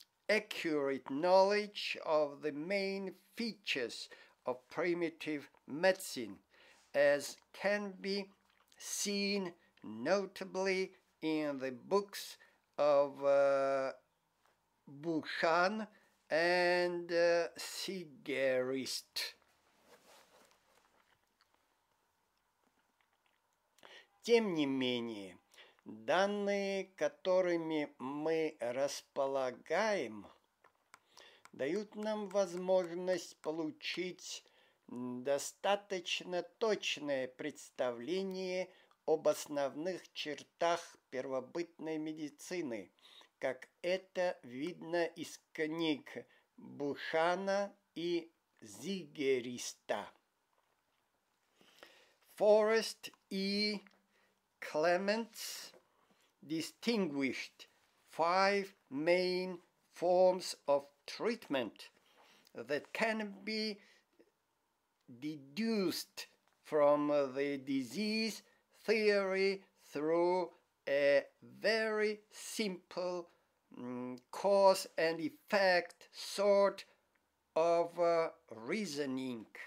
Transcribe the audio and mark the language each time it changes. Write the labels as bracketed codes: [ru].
[en] accurate knowledge of the main features of primitive medicine, as can be seen notably in the books of Bouchan and Sigerist. [ru] Тем не менее, данные, которыми мы располагаем, дают нам возможность получить достаточно точное представление об основных чертах первобытной медицины, как это видно из книг Бушана и Зигериста. [en] Forrest [ru] и [en] Clements distinguished five main forms of treatment that can be deduced from the disease theory through a very simple cause and effect sort of reasoning.